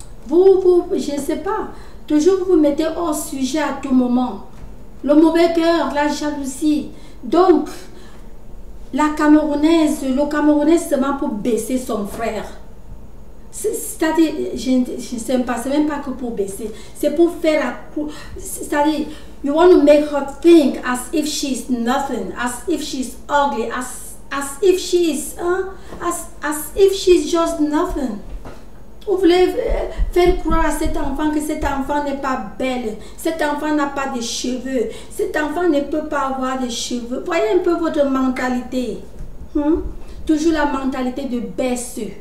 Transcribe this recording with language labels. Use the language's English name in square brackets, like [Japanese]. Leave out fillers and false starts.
[French] Je ne sais pas. Toujours vous mettez hors sujet à tout moment. Le mauvais cœur, la jalousie. Donc, la Camerounaise, le Camerounais seulement pour baisser son frère. C'est-à-dire, je ne sais pas, c'est même pas que pour baisser, c'est pour faire la cour. C'est-à-dire, [English] you want to make her think as if she's nothing, as if she's ugly, as if she's, hein, as if she's just nothing. [French] Vous voulez faire croire à cet enfant que cet enfant n'est pas belle, cet enfant n'a pas de cheveux, cet enfant ne peut pas avoir de cheveux. Voyez un peu votre mentalité. Toujours la mentalité de baisse.